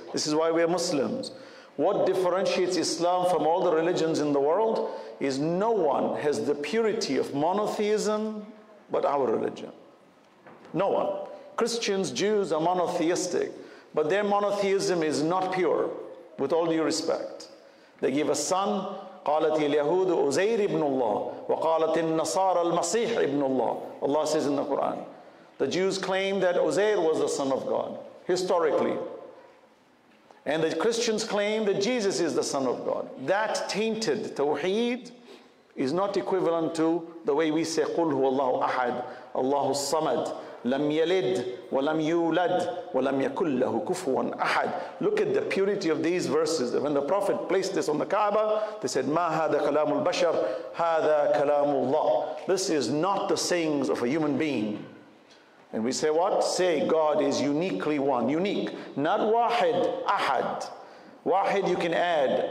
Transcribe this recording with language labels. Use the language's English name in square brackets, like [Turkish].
[English] This is why we are Muslims. What differentiates Islam from all the religions in the world is no one has the purity of monotheism but our religion. No one. Christians, Jews are monotheistic, but their monotheism is not pure, with all due respect. They give a son, [Arabic] قالت اليهود عزير ابن الله وقالت النصارى المسيح ابن الله. [English] Allah says in the Quran, the Jews claim that Uzair was the son of God, historically. And the Christians claim that Jesus is the son of God. That tainted tawheed is not equivalent to the way we say [Arabic] قُلْ هُوَ اللَّهُ أَحَدٌ اللَّهُ الصَّمَدُ لَمْ يَلِدْ وَلَمْ يُولَدْ وَلَمْ يَكُلْ لَهُ كُفُوًا أَحَدٌ. [English] Look at the purity of these verses. When the Prophet placed this on the Kaaba, they said, [Arabic] مَا هَذَا كَلَامُ الْبَشَرِ هَذَا كَلَامُ اللَّهُ. [English] This is not the sayings of a human being. And we say what? Say God is uniquely one. Unique. Not wahid, ahad. Wahid you can add.